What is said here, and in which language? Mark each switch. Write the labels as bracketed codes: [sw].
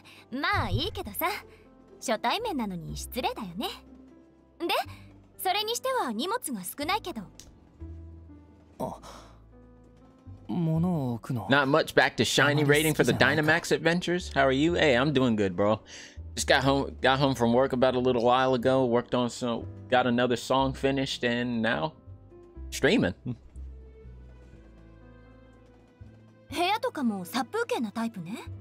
[ja] まあいいけどさ、初対面なのに失礼だよね。で、それにしては荷物が少ないけど。あ、物を置くの。 [en] Not much back to shiny rating for the Dynamax adventures. How are you? Hey, I'm doing good, bro. Just got home from work about a little while ago. Worked on some, got another song finished, and now streaming. [ja] 部屋とかも殺風景なタイプね。